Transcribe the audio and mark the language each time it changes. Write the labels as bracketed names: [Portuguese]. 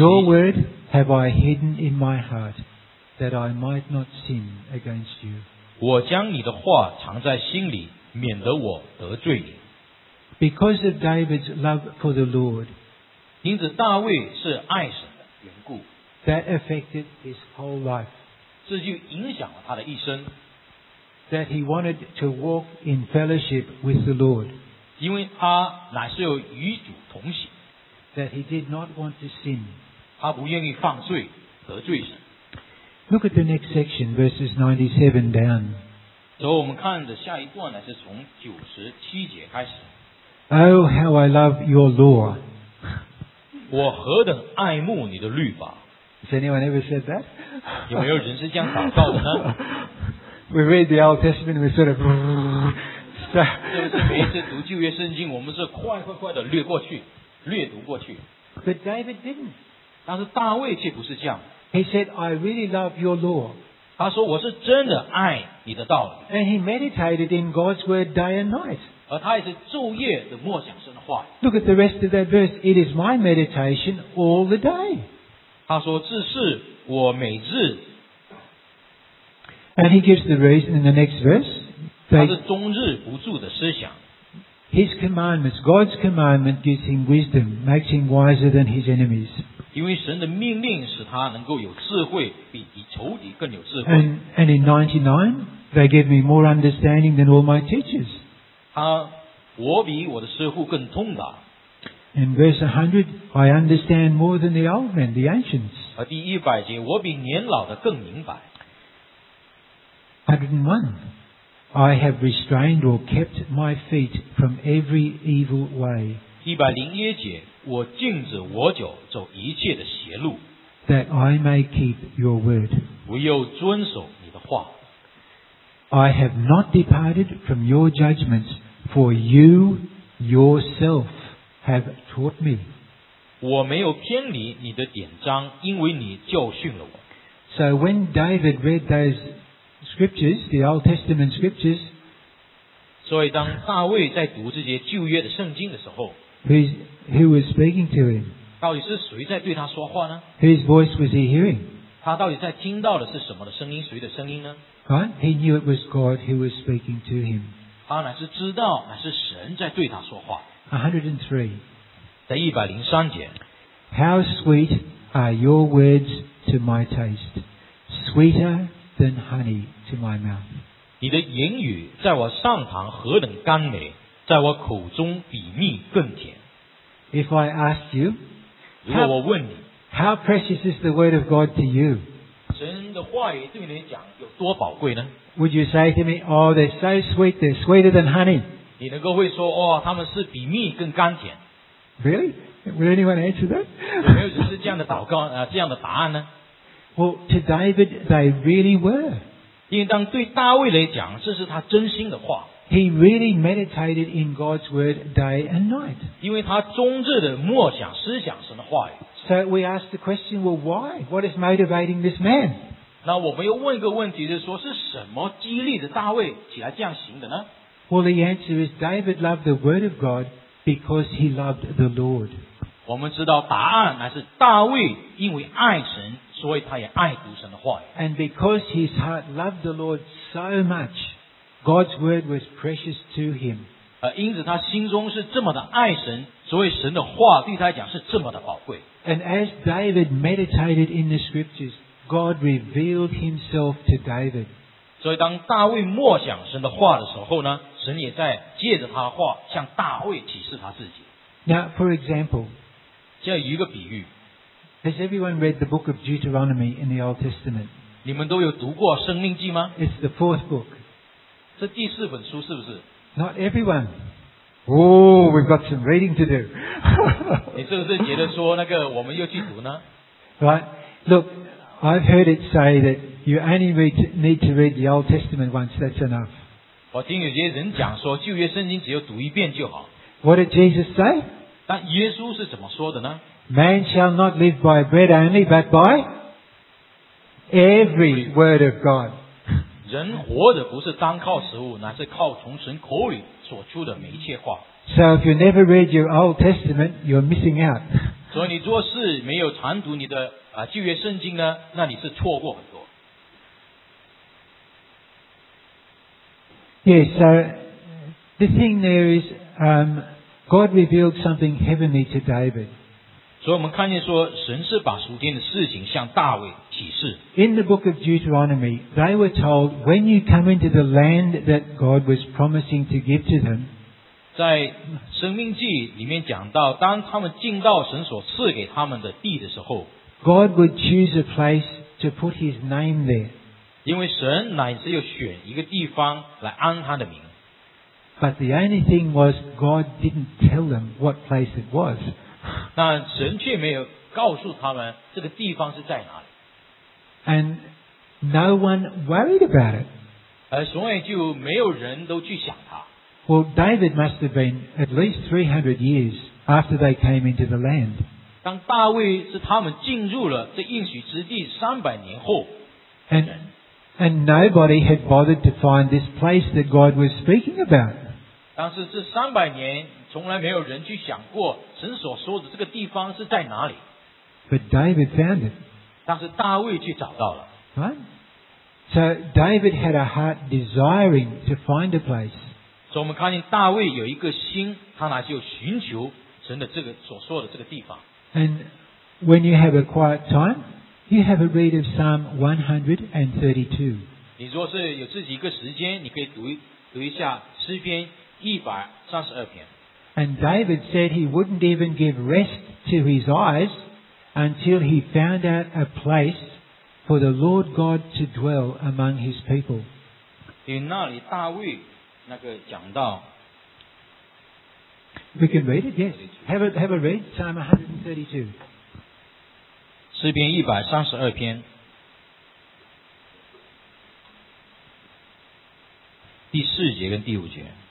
[English] Your word have I hidden in my heart that I might not sin against you. [Chinese] 我将你的话藏在心里免得我得罪你。 [English] Because of David's love for the Lord. [Chinese] 因此大卫是爱神的缘故。 [English] That affected his whole life. [Chinese] 这就影响了他的一生。 [English] That he wanted to walk in fellowship with the Lord. [Chinese] 因为他乃是有与主同行。 [English] That he did not want to sin. [Chinese] 他不愿意犯罪得罪神。 [English] Look at the next section, verses 97 down. [Chinese] 所以我们看的下一段呢，是从97节开始。 [English] Oh, how I love your law. [Chinese] 我何等爱慕你的律法。 [English] Has anyone ever said that? [Chinese] 有没有人是这样祷告的呢？ [English] We read the Old Testament, we sort of... [Chinese] 是不是每一次读旧约圣经，我们是快快快的略过去，略读过去。 [English] But David didn't. [Chinese] 但是大卫却不是这样。 [English] He said, I really love your law. [Chinese] 他说我是真的爱你的道理。 [English] And he meditated in God's word day and night. [Chinese] 而他也是昼夜的默想神的话。 [English] Look at the rest of that verse. It is my meditation all the day. [Chinese] 他说这是我每日 [English] And he gives the reason in the next verse [Chinese] 他是终日不住的思想 [English] His commandments, God's commandment gives him wisdom makes him wiser than his enemies [Chinese] 因为神的命令使他能够有智慧比仇敌更有智慧 [English] And in 99 they give me more understanding than all my teachers [Chinese] 我比我的师父更通达 [English] In verse 100, I understand more than the old men, the ancients. [Chinese] 而第一百节，我比年老的更明白。 [English] 101, I have restrained or kept my feet from every evil way. [Chinese] 101节，我禁止我脚走一切的邪路。 [English] That I may keep your word. [Chinese] 我又遵守你的话。 [English] I have not departed from your judgments, for you yourself. Have taught me. [Chinese] 我没有偏离你的典章，因为你教训了我。 [English] So when David read those scriptures, the Old Testament scriptures, [Chinese] 所以当大卫在读这些旧约的圣经的时候 [English] ，Who was speaking to him? [Chinese] 到底是谁在对他说话呢 [English] ？Whose voice was he hearing? [Chinese] 他到底在听到的是什么的声音？谁的声音呢 [English] ？Right, he knew it was God who was speaking to him. [Chinese] 他乃是知道，乃是神在对他说话。 [English] 103. [Chinese] 在103节。 [English] How sweet are your words to my taste, sweeter than honey to my mouth. [Chinese] 你的言语在我上堂何等甘美，在我口中比蜜更甜。 [English] If I ask you, [Chinese] 如果我问你 [English] how precious is the word of God to you? [Chinese] 神的话语对你讲有多宝贵呢？ [English] Would you say to me, oh, they're so sweet, they're sweeter than honey? [Chinese] 你能够会说，哦，他们是比蜜更甘甜。 [English] Really? Would anyone answer that? [Chinese] 有没有只是这样的祷告啊，这样的答案呢？ [English] Well, to David, they really were. [Chinese] 因为当对大卫来讲，这是他真心的话。 [English] He really meditated in God's word day and night. [Chinese] 因为他终日的默想、思想神的话语。 [English] So we ask the question, well, why? What is motivating this man? [Chinese] 那我们又问一个问题，就是说是什么激励着大卫起来这样行的呢？ [English] Well, the answer is David loved the word of God because he loved the Lord. [Chinese] 我们知道答案乃是大卫因为爱神。所以他也爱读神的话语。 [English] And because his heart loved the Lord so much, God's word was precious to him. [Chinese] 因此他心中是这么的爱神，所以神的话对他来讲是这么的宝贵。 [English] And as David meditated in the scriptures, God revealed himself to David. [Chinese] 所以当大卫默想神的话的时候呢，神也在借着他的话向大卫启示他自己。 [English] Now, for example, [Chinese] 这样一个比喻。 [English] Has everyone read the book of Deuteronomy in the Old Testament? [Chinese] 你们都有读过《生命记》吗？ [English] It's the fourth book. [Chinese] 这第四本书是不是？ [English] Not everyone. Oh, we've got some reading to do. [Chinese] 你是不是觉得说那个我们又去读呢？ [English] Right. Look, I've heard it say that you only need to read the Old Testament once, that's enough. [Chinese] 我听有些人讲说旧约圣经只有读一遍就好。 [English] What did Jesus say? [Chinese] 但耶稣是怎么说的呢？ [English] Man shall not live by bread only, but by every word of God. [Chinese] 人活着不是单靠食物，乃是靠从神口里所出的每一切话。 [English] So if you never read your Old Testament, you're missing out. [Chinese] 所以你若是没有常读你的旧约圣经呢，那你是错过很多。 [English] Yes, so the thing there is, God revealed something heavenly to David. [Chinese] 所以我们看见说神是把属天的事情向大卫启示。 [English] In the book of Deuteronomy, they were told, when you come into the land that God was promising to give to them, [Chinese] 在生命记里面讲到当他们进到神所赐给他们的地的时候， [English] God would choose a place to put his name there. [Chinese] 因为神乃是要选一个地方来安他的名。 [English] But the only thing was, God didn't tell them what place it was. [Chinese] 那神却没有告诉他们这个地方是在哪里。 [English] And no one worried about it. [Chinese] 所以就没有人都去想他。 [English] Well, David must have been at least 300 years after they came into the land. [Chinese] 当大卫是他们进入了这应许之地300年后。 [English] And nobody had bothered to find this place that God was speaking about. [Chinese] 但是这300年从来没有人去想过神所说的这个地方是在哪里。 [English] But David found it. [Chinese] 但是大卫去找到了。 [English] Right? So David had a heart desiring to find a place. [Chinese] 所以我们看见大卫有一个心，他乃是有寻求神的这个所说的这个地方。 [English] And when you have a quiet time, you have a read of Psalm 132. [Chinese] 你若是有自己一个时间，你可以读一下诗篇132篇。 [English] And David said he wouldn't even give rest to his eyes until he found out a place for the Lord God to dwell among his people. [Chinese] 因为那里大卫那个讲到 [English] We can read it, yes. Have a read, Psalm 132. [Chinese] 诗篇132篇第四节跟第五节